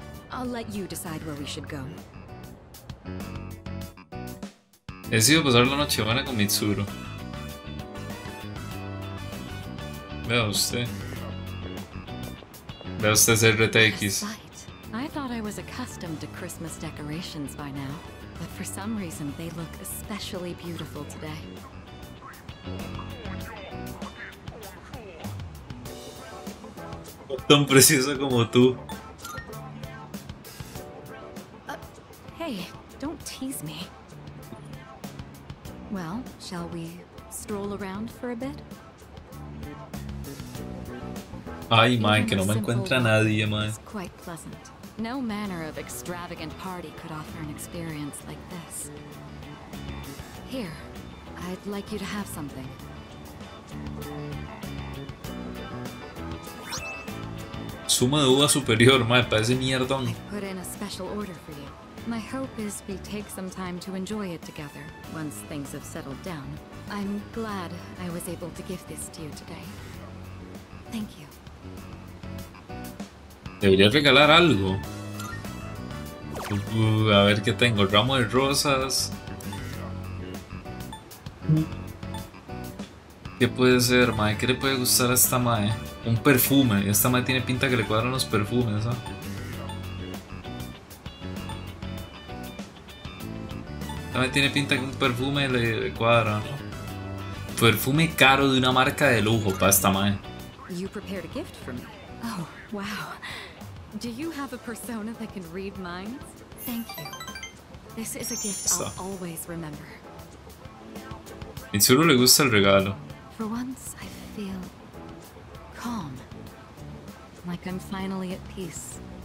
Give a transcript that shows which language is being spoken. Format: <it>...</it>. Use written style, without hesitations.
<en>I'll let you decide where we should go.</en> <es>He decidido pasar la noche buena con Mitsuru. Vea usted ser RTX.</es> <en>I thought I was accustomed to Christmas decorations by now, but for some reason they look especially beautiful today.</en> <es>Tan preciosa como tú.</es> <en>Hey, don't tease me. Well, shall we stroll around for a bit?</en> <es>Ay, man, que no me encuentra nadie, man.</es> <en>Quite pleasant. No manner of extravagant party could offer an experience like this. Here, I'd like you to have something.</en> <es>Suma de uva superior, mae, parece mierdón.</es> <en>Put in a special order for you. My hope is we take some time to enjoy it together once things have settled down. I'm glad I was able to give this to you today. Thank you.</en> <es>Debería regalar algo. A ver qué tengo. Ramo de rosas. ¿Qué puede ser, mae? ¿Qué le puede gustar a esta mae? Un perfume. Esta madre tiene pinta que le cuadran los perfumes, ¿eh? Esta madre tiene pinta que un perfume le cuadra, ¿no? Perfume caro de una marca de lujo para esta madre.</es> <en>You prepared a gift for me. Oh, wow. Do you have a persona that can read minds? Thank you. This is a gift I'll always remember.</en> <es>Y seguro le gusta el regalo.</es> <en>For once, I feel calm, like I'm finally at peace.</en>